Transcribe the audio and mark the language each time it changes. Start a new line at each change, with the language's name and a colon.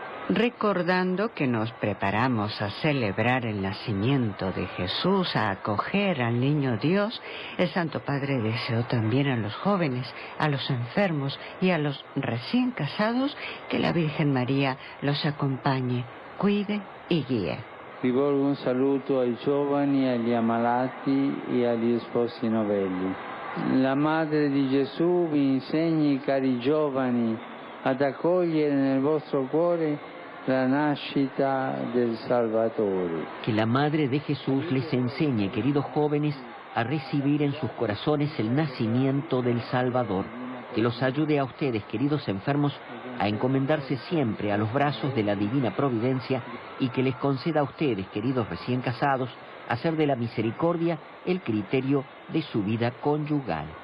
Spanish: Recordando que nos preparamos a celebrar el nacimiento de Jesús, a acoger al Niño Dios, el Santo Padre deseó también a los jóvenes, a los enfermos y a los recién casados que la Virgen María los acompañe, cuide y guíe.
Italian: Rivolgo un saluto ai giovani, agli ammalati e agli sposi novelli. La Madre di Gesù vi insegni, cari giovani, ad accogliere nel vostro cuore la nascita del Salvatore.
Spanish: Que la Madre de Jesús les enseñe, queridos jóvenes, a recibir en sus corazones el nacimiento del Salvador. Que los ayude a ustedes, queridos enfermos, a encomendarse siempre a los brazos de la Divina Providencia y que les conceda a ustedes, queridos recién casados, hacer de la misericordia el criterio de su vida conyugal.